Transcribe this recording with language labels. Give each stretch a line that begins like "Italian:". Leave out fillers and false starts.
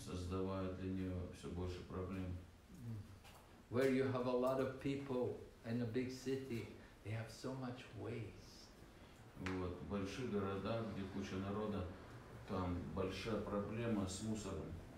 Russian: Создавая для нее все больше проблем.
English: Where you have a lot of people in a big city, they have so much waste.
Russian: Вот большие города, где куча народа, там большая проблема с мусором.